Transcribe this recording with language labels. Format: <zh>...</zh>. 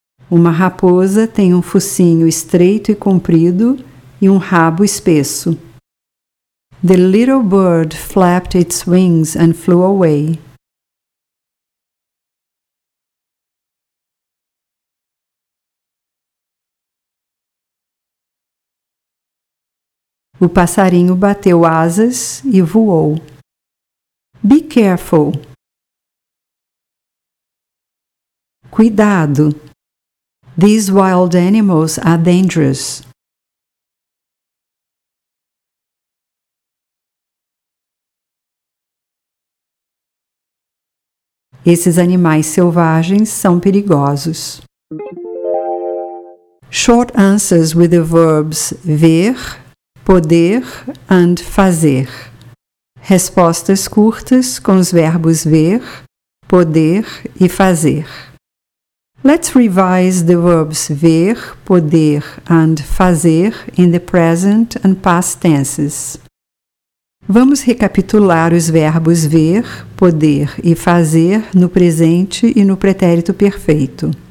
<pt>Uma raposa tem um focinho estreito e comprido e um rabo espesso.</pt> <en>The little bird flapped its wings and flew away.</en> <pt>O passarinho bateu asas e voou.</pt> <en>Be careful.</en> <pt>Cuidado.</pt> <en>These wild animals are dangerous.</en> <pt>Esses animais selvagens são perigosos.</pt> <en>Short answers with the verbs ver, poder, and fazer.</en> <pt>Respostas curtas com os verbos ver, poder e fazer.</pt> <en>Let's revise the verbs ver, poder, and fazer in the present and past tenses.</en> <pt>Vamos recapitular os verbos ver, poder e fazer no presente e no pretérito perfeito.</pt>